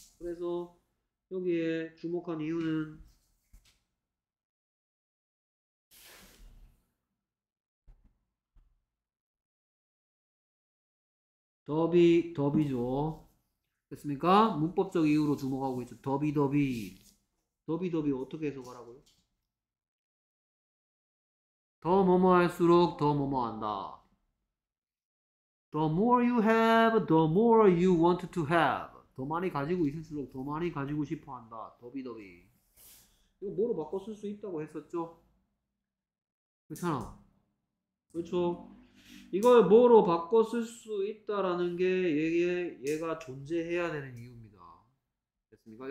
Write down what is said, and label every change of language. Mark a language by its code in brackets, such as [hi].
[ko] 그래서 여기에 주목한 이유는 더비죠. 됐습니까? 문법적 이유로 주목하고 있죠. 더비 어떻게 해석하라고요? 더 뭐뭐할수록 더 뭐뭐한다. [en] The more you have, the more you want to have. [ko] 더 많이 가지고 있을수록 더 많이 가지고 싶어한다. 더비. 이거 뭐로 바꿔 쓸수 있다고 했었죠? 그렇잖아. 그렇죠. 이걸 뭐로 바꿔 쓸수 있다라는 게 얘가 존재해야 되는 이유입니다. 됐습니까?